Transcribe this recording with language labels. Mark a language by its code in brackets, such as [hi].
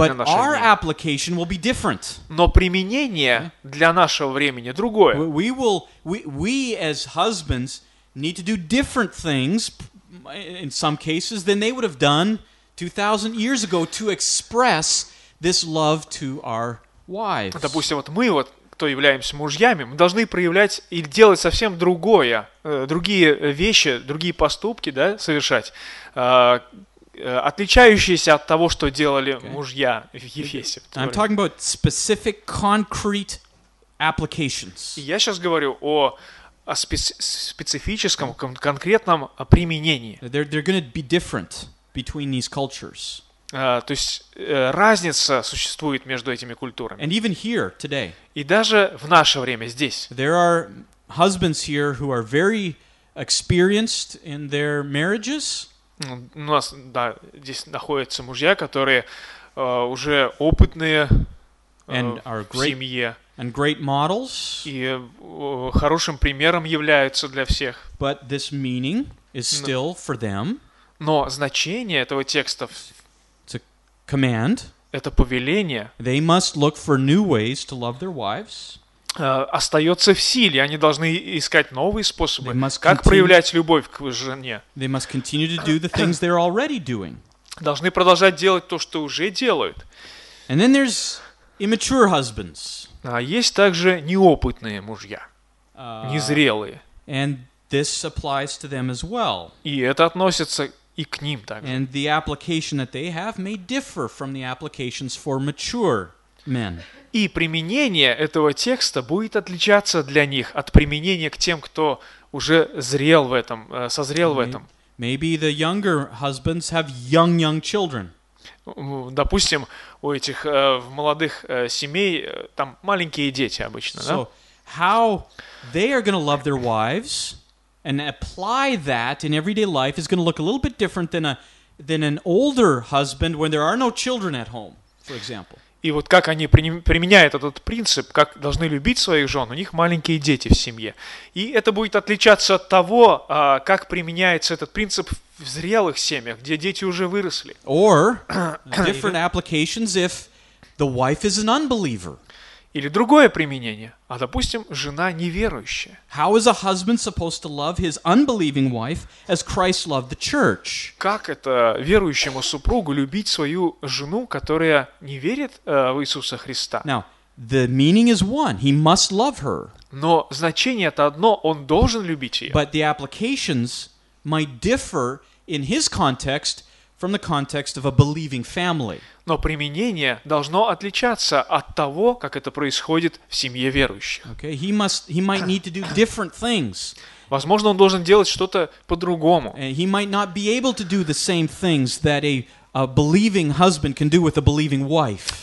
[en] but [ru] для нашего [en] our [ru] времени. [en] Application will be different. [ru] Но применение для нашего времени другое. [en] We as husbands need to do different things in some cases than they would have done 2000 years ago to express this love to our wives. [ru] Допустим, вот мы вот кто являемся мужьями, мы должны проявлять и делать совсем другое, другие вещи, другие поступки, да, совершать, отличающиеся от того, что делали мужья в Ефесе. [en] I'm talking about specific concrete applications. [ru] Я сейчас говорю о специфическом, конкретном применении. [en] They're going to be different between these cultures. [ru] То есть разница существует между этими культурами. [en] And even here today. [ru] И даже в наше время здесь. [en] There are husbands here who are very experienced in their marriages. [ru] У нас, да, здесь находятся мужья, которые уже опытные [en] great, [ru] в семье. [en] And great models. [ru] И хорошим примером являются для всех. [en] But this meaning is still for them. [ru] Но значение этого текста [en] it's a command. [ru] Это повеление. [en] They must look for new ways to love their wives. [ru] Остается в силе. Они должны искать новые способы, как проявлять любовь к жене. [en] They must continue to do the things they're already doing. [ru] должны продолжать делать то, что уже делают. [en] And then there's immature husbands. [ru] А есть также неопытные мужья, незрелые. [en] And this applies to them as well. [ru] И это относится и к ним также. [en] And the application that they have may differ from the applications for mature men. [ru] И применение этого текста будет отличаться для них от применения к тем, кто уже зрел в этом, созрел в этом. [en] Maybe the younger husbands have young children. [ru] Допустим, у этих молодых семей там маленькие дети обычно, да? [en] So how they are going to love their wives and apply that in everyday life is going to look a little bit different than an older husband when there are no children at home, for example. [ru] И вот как они применяют этот принцип, как должны любить своих жен, у них маленькие дети в семье. И это будет отличаться от того, как применяется этот принцип в зрелых семьях, где дети уже выросли. [en] Or different applications if the wife is an unbeliever. [ru] Или другое применение. А допустим, жена неверующая. [en] How is a husband supposed to love his unbelieving wife as Christ loved the church? [ru] Как это верующему супругу любить свою жену, которая не верит в Иисуса Христа? [en] Now, the meaning is one. He must love her. [ru] Но значение-то одно, он должен любить ее. [en] But the applications might differ in his context from the context of a believing family. [ru] Но применение должно отличаться от того, как это происходит в семье верующих. [en] Okay, he might need to do different things. [ru] Возможно, он должен делать что-то по-другому. [en] And he might not be able to do the same things that a believing husband can do with a believing wife.